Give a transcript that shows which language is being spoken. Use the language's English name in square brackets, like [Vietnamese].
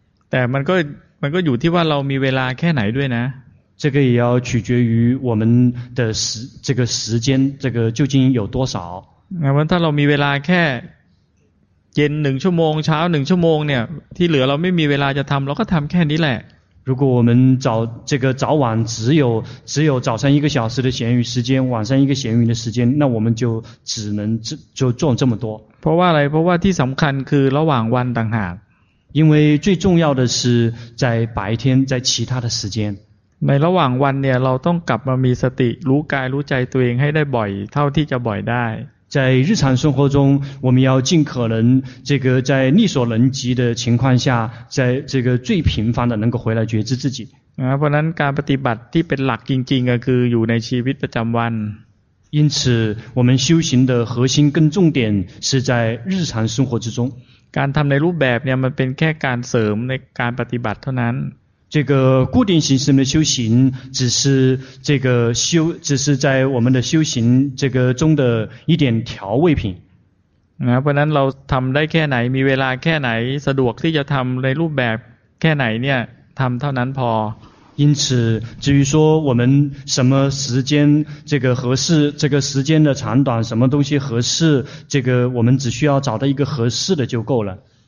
[Thai] แต่มันก็อยู่ที่ว่าเรามีเวลาแค่ไหนด้วยนะ [Chinese] 这个也要取决于我们的这个时间这个究竟有多少 [Thai] แต่ว่าถ้าเรามีเวลาแค่เย็น1ชั่วโมงเช้า1ชั่วโมงเนี่ยที่เหลือเราไม่มีเวลาจะทำเราก็ทำแค่นี้แหละ [Chinese] 如果我们早晚只有早上一个小时的闲余时间晚上一个闲余的时间那我们就只能就做这么多 [Thai] เพราะว่าอะไรเพราะว่าที่สำคัญคือระหว่างวันต่างหาก [Chinese] 因为最重要的是在白天在其他的时间 [Thai] ในระหว่างวันเนี่ยเราต้องกลับมามีสติรู้กายรู้ใจตัวเองให้ได้บ่อยเท่าที่จะบ่อยได้ [Chinese] 在日常生活中我们要尽可能这个在力所能及的情况下在这个最频繁的能够回来觉知自己 [Thai] เพราะนั้นการปฏิบัติที่เป็นหลักจริงๆก็คืออยู่ในชีวิตประจำวัน [Chinese] 因此我们修行的核心跟重点是在日常生活之中 [Thai] การทำในรูปแบบเนี่ยมันเป็นแค่การเสริมในการปฏิบัติเท่านั้น [Chinese] 这个固定形式的修行只是这个修只是在我们的修行这个中的一点调味品 [Thai] เพราะนั้นเราทำได้แค่ไหนมีเวลาแค่ไหนสะดวกที่จะทำในรูปแบบแค่ไหนเนี่ยทำเท่านั้นพอ [Chinese] 因此至于说我们什么时间这个合适这个时间的长短什么东西合适这个我们只需要找到一个合适的就够了